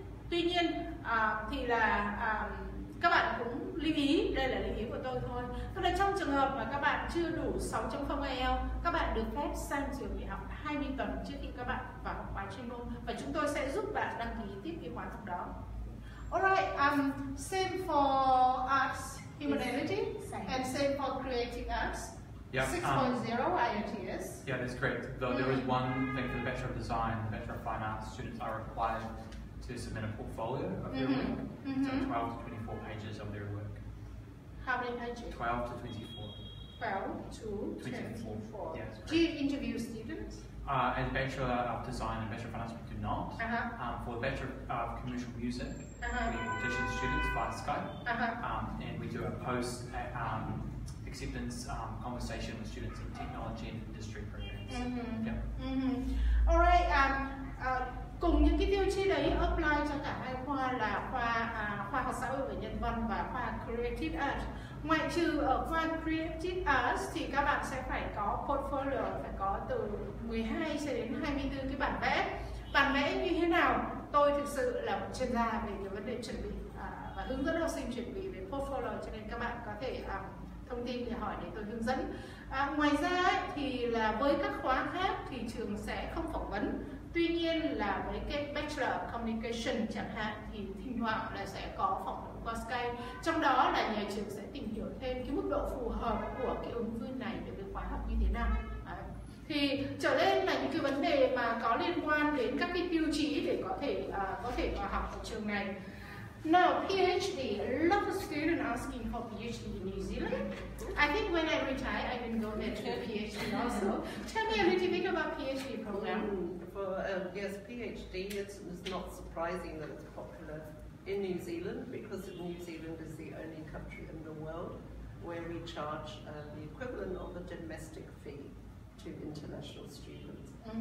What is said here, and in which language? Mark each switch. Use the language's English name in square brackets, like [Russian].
[Vietnamese] Tuy nhiên thì là các bạn cũng lưu ý, đây là lưu ý của tôi thôi, tức là trong trường hợp mà các bạn chưa đủ 6.0 IELTS, các bạn được phép sang trường để học 20 tuần trước khi các bạn vào khóa chuyên môn, và chúng tôi sẽ giúp bạn đăng ký tiếp cái khóa học đó. [English] Alright, same for arts, humanity, and same for creative arts. Yep. 6.0 IELTS. Yeah, that's correct. Though there is one thing for the Bachelor of Design, the Bachelor of Fine Arts students are required to submit a portfolio of their work. So 12 to 24 pages of their work. How many pages? 12 to 24. 12 to 24. Yes. Do you interview students? As Bachelor of Design and Bachelor of Finance, we do not. For the Bachelor of Commercial Music, we audition students via Skype. And we do a post acceptance conversation with students in technology and industry programs. All right. [Vietnamese] Cùng những cái tiêu chí đấy, apply cho cả hai khoa là khoa khoa học xã hội và nhân văn và khoa creative arts. Ngoại trừ ở khoa creative arts thì các bạn sẽ phải có portfolio, phải có từ 12 cho đến 24 cái bản vẽ. Bản vẽ như thế nào? Tôi thực sự là một chuyên gia về cái vấn đề chuẩn bị và hướng dẫn học sinh chuẩn bị về portfolio, cho nên các bạn có thể thông tin để hỏi để tôi hướng dẫn. Ngoài ra thì là với các khóa khác thì trường sẽ không phỏng vấn. Tuy nhiên là với cái Bachelor of Communication chẳng hạn thì thỉnh thoảng là sẽ có phỏng vấn qua Skype. Trong đó là nhà trường sẽ tìm hiểu thêm cái mức độ phù hợp của cái ứng viên này đối với khóa học như thế nào. Thì trở lên là những cái vấn đề mà có liên quan đến các cái tiêu chí để có thể vào học ở trường này. [English] Now, PhD, a lot of students asking for PhD in New Zealand. I think when I retire, I will go there to PhD also. Tell me a little bit about PhD program. Yes, PhD, it's not surprising that it's popular in New Zealand, because New Zealand is the only country in the world where we charge the equivalent of a domestic fee to international students.